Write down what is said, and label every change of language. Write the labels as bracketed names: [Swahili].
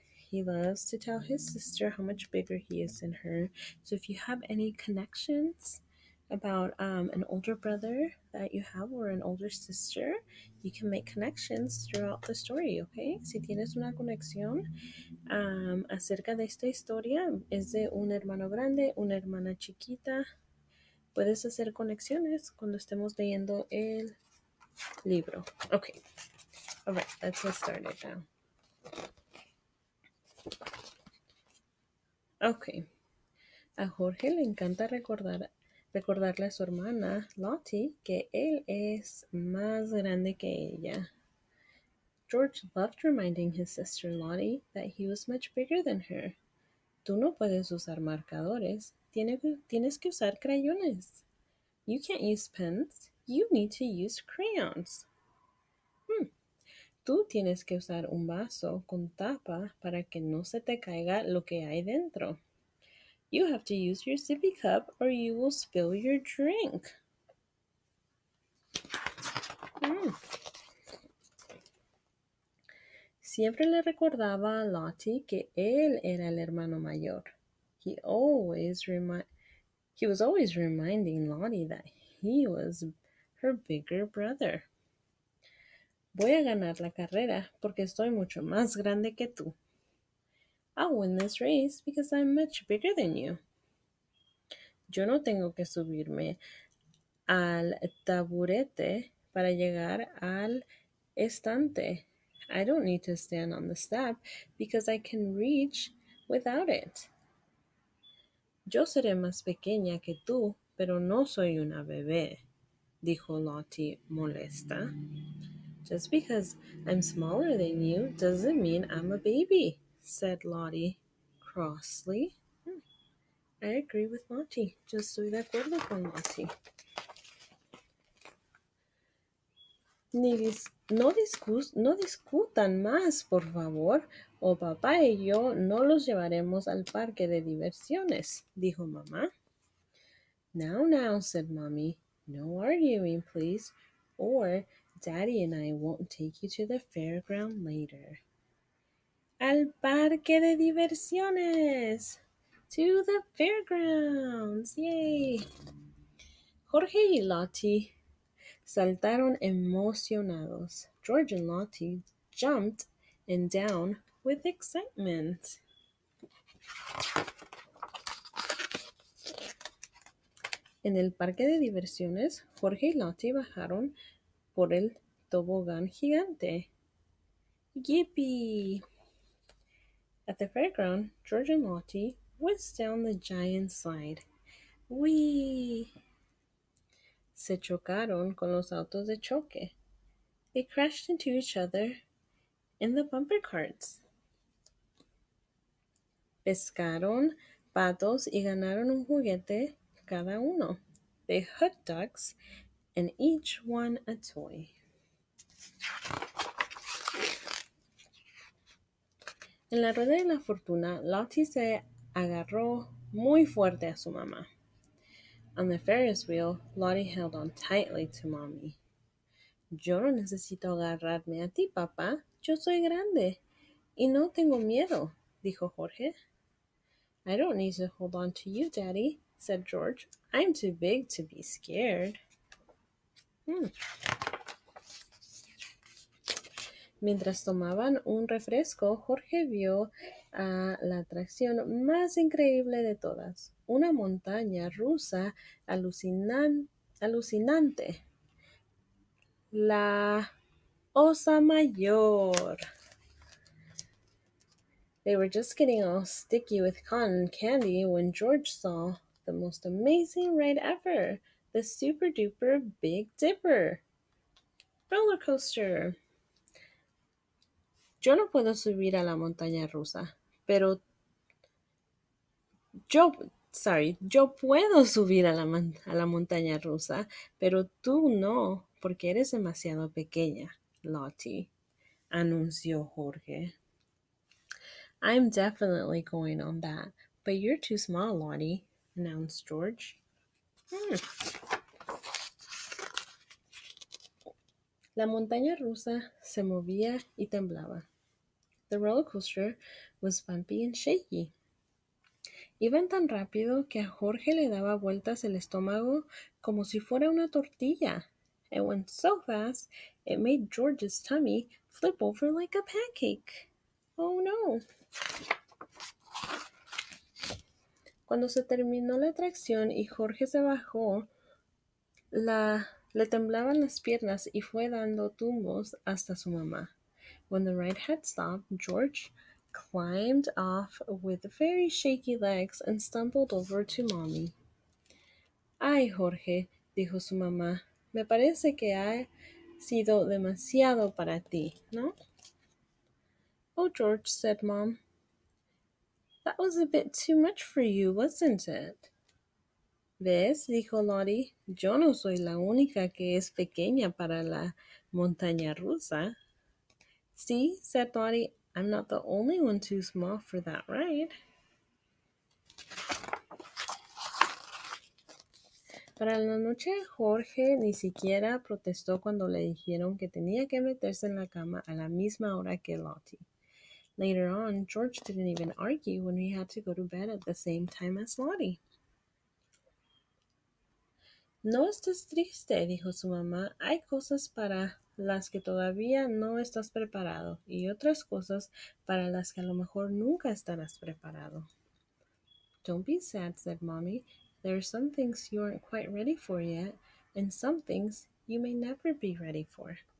[English] He loves to tell his sister how much bigger he is than her. So if you have any connections about an older brother that you have or an older sister, you can make connections throughout the story, okay? [Spanish] Si tienes una conexión acerca de esta historia, es de un hermano grande, una hermana chiquita. Puedes hacer conexiones cuando estemos leyendo el libro. Okay. [English] All right, let's get started now. [Spanish] Okay. A Jorge le encanta recordarle a su hermana Lottie que él es más grande que ella. [English] George loved reminding his sister Lottie that he was much bigger than her. [Spanish] Tú no puedes usar marcadores. Tienes que usar crayones. [English] You can't use pens. You need to use crayons. [Spanish] Tú tienes que usar un vaso con tapa para que no se te caiga lo que hay dentro. [English] You have to use your sippy cup or you will spill your drink. [Spanish] Siempre le recordaba a Lottie que él era el hermano mayor. [English] He was always reminding Lottie that he was her bigger brother. [Spanish] Voy a ganar la carrera porque estoy mucho más grande que tú. [English] I'll win this race because I'm much bigger than you. [Spanish] Yo no tengo que subirme al taburete para llegar al estante. [English] I don't need to stand on the step because I can reach without it. [Spanish] Yo seré más pequeña que tú, pero no soy una bebé, dijo Lottie molesta. [English] Just because I'm smaller than you doesn't mean I'm a baby, said Lottie crossly. I agree with Lottie. [Spanish] Yo estoy de acuerdo con Lottie. No discutan más, por favor, o papá y yo no los llevaremos al parque de diversiones, dijo mamá. [English] Now, now, said mommy, no arguing, please, or daddy and I won't take you to the fairground later. [Spanish] Al parque de diversiones. [English] To the fairgrounds. Yay. [Spanish] Jorge y Lottie saltaron emocionados. [English] George and Lottie jumped and down with excitement. [Spanish] En el parque de diversiones, Jorge y Lottie bajaron por el tobogán gigante. [English] ¡Yippee! At the fairground, George and Lottie whisked down the giant slide. [Spanish] ¡Wee! Se chocaron con los autos de choque. [English] They crashed into each other in the bumper carts. [Spanish] Pescaron patos y ganaron un juguete cada uno. [English] They hooked ducks and each won a toy. [Spanish] En la rueda de la fortuna, Lottie se agarró muy fuerte a su mamá. [English] On the Ferris wheel, Lottie held on tightly to mommy. [Spanish] Yo no necesito agarrarme a ti, papá. Yo soy grande y no tengo miedo, dijo Jorge. [English] I don't need to hold on to you, Daddy, said George. I'm too big to be scared. [Spanish] Mientras tomaban un refresco, Jorge vio a la atracción más increíble de todas, una montaña rusa alucinante, la Osa Mayor. [English] They were just getting all sticky with cotton candy when George saw the most amazing ride ever, the Super Duper Big Dipper roller coaster. [Spanish] Yo no puedo subir a la montaña rusa, pero yo puedo subir a la montaña rusa, pero tú no, porque eres demasiado pequeña, Lottie, anunció Jorge. [English] I'm definitely going on that, but you're too small, Lottie, announced George. [Spanish] La montaña rusa se movía y temblaba. [English] The roller coaster was bumpy and shaky. [Spanish] Iban tan rápido que a Jorge le daba vueltas el estómago como si fuera una tortilla. [English] It went so fast, it made George's tummy flip over like a pancake. [Spanish] Oh, cuando se terminó la atracción y Jorge se bajó, le temblaban las piernas y fue dando tumbos hasta su mamá. [English] When the ride had stopped, George climbed off with very shaky legs and stumbled over to mommy. [Spanish] Ay, Jorge, dijo su mamá, me parece que ha sido demasiado para ti, ¿no? [English] Oh, George, said mom, that was a bit too much for you, wasn't it? [Spanish] ¿Ves? Dijo Lottie, yo no soy la única que es pequeña para la montaña rusa. [English] See, said Lottie, I'm not the only one too small for that ride. [Spanish] Para la noche, Jorge ni siquiera protestó cuando le dijeron que tenía que meterse en la cama a la misma hora que Lottie. [English] Later on, George didn't even argue when he had to go to bed at the same time as Lottie. [Spanish] No estés triste, dijo su mamá. Hay cosas para las que todavía no estás preparado y otras cosas para las que a lo mejor nunca estarás preparado. [English] Don't be sad, said Mommy. There are some things you aren't quite ready for yet, and some things you may never be ready for.